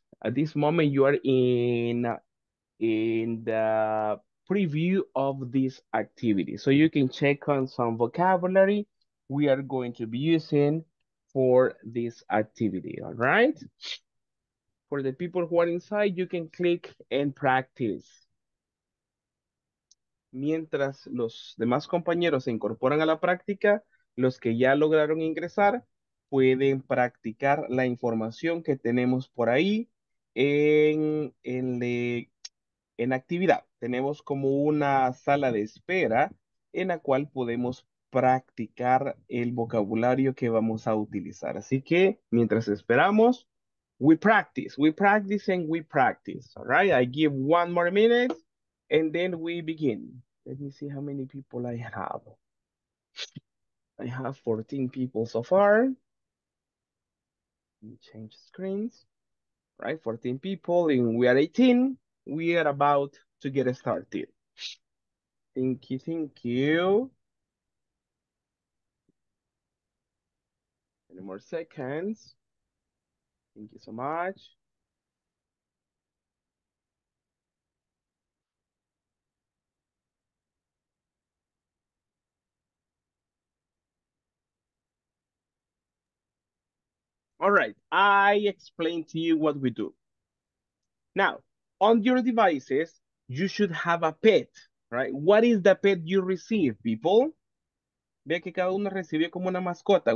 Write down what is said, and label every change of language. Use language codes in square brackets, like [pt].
[en] At this moment, you are in the preview of this activity. So you can check on some vocabulary we are going to be using for this activity, all right? For the people who are inside, you can click and practice. [es] Mientras los demás compañeros se incorporan a la práctica, los que ya lograron ingresar pueden practicar la información que tenemos por ahí en actividad. Tenemos como una sala de espera en la cual podemos practicar el vocabulario que vamos a utilizar. Así que mientras esperamos, [en] we practice and we practice. All right, I give one more minute and then we begin. Let me see how many people I have. I have 14 people so far. Let me change screens. Right, 14 people and we are 18. We are about to get started. Thank you, thank you. Any more seconds? Thank you so much. All right, I explained to you what we do. Now, on your devices, you should have a pet, right? What is the pet you receive, people? [es] Ve que cada uno recibió como una mascota.